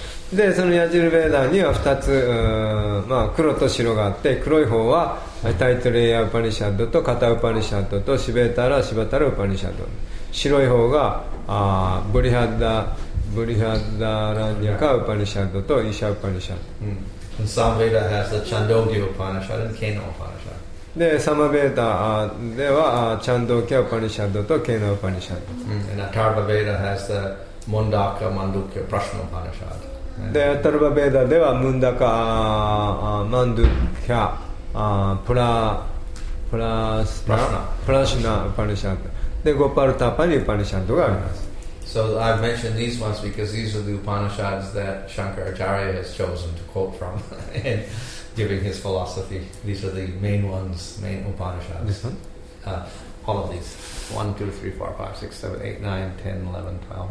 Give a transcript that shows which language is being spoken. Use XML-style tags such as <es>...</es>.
<ja>で、そのヤジュルヴェーダには二つ、まあ、黒と白があって、黒い方はタイトレイヤーウパニシャッドとカタウパニシャッドとシベータラシバタラウパニシャッド。白い方がブリハッダブリハダーランニャカウパニシャッドとイシャウパニシャッド。</ja> <en>Samaveda has the Chandogya Upanishad and Keno Upanishad.</en> <ja>で、サマベータではチャンドーキャ・ウパニシャッドとケーナ・ウパニシャッド。</ja> <en>And Atharva Veda has the Mundaka Mandukya Prashna Upanishad.</en> <ja>で、Atharva Veda ではムンダカ・マンドゥキャ・プラ・プラス・ プラシナ・ プラシナ・ウパニシャッド。で、ゴパルタパニ・ウパニシャッドがあります。</ja> <en>So I've mentioned these ones because these are the Upanishads that Shankaracharya has chosen to quote from. giving his philosophy. These are the main ones, main Upanishads. This one? All of these. 1, 2, 3, 4, 5, 6, 7, 8, 9, 10, 11, 12.</en>